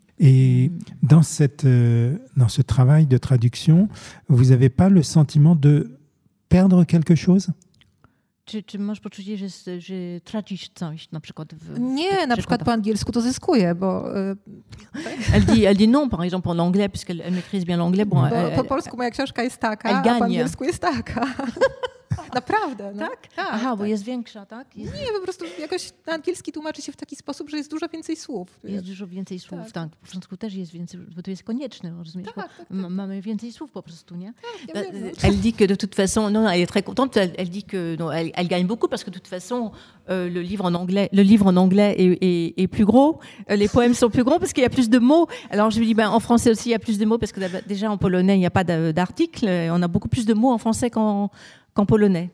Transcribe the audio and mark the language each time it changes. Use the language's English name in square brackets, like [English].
[French] Et dans ce travail de traduction, vous n'avez pas le sentiment de perdre quelque chose? [Polish] Czy masz poczucie, że tracisz coś na przykład? Nie, na przykład po angielsku to zyskuję, bo... Elle dit non, par exemple, en anglais, puisqu'elle maîtrise bien l'anglais. Bon, po polsku moja książka jest taka, a po angielsku jest taka. Naprawdę, no. Tak? Aha, tak. Bo jest większa, tak? Jest... Nie, po prostu jakoś angielski tłumaczy się w taki sposób, że jest dużo więcej słów. Jest dużo więcej słów, tak. Po początku też jest więcej, bo to jest konieczne, rozumiesz? Tak, mamy więcej słów po prostu, nie? Tak, ja wiem, [French] elle dit que de toute façon, non, elle est très contente, elle dit que non, elle gagne beaucoup parce que de toute façon, le livre en anglais est plus gros, les poèmes sont plus gros parce qu'il y a plus de mots. Alors je lui dis, ben en français aussi il y a plus de mots parce que déjà en polonais il n'y a pas d'article, on a beaucoup plus de mots en français qu'en polonais.